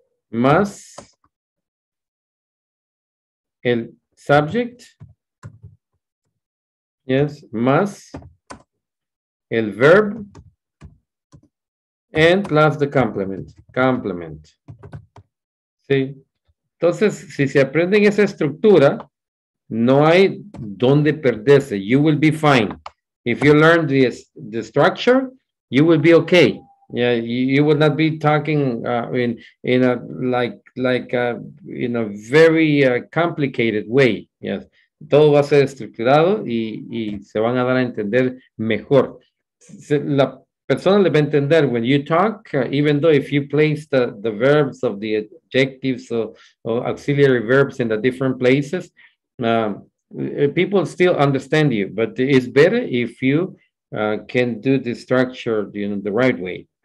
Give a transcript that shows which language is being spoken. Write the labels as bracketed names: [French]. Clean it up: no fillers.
[English] Más el subject, yes, más el verb, and last the complement. Sí. [Spanish] Entonces, si se aprenden esa estructura, no hay donde perderse. [English] You will be fine. If you learn the structure, you will be okay. Yeah, you would not be talking in a very complicated way. [Spanish] Yes, todo va a ser estructurado y se van a dar a entender mejor. La persona le va a entender [English] when you talk, even though if you place the verbs of the adjectives or auxiliary verbs in the different places, people still understand you. But it's better if you can do the structure, you know, the right way.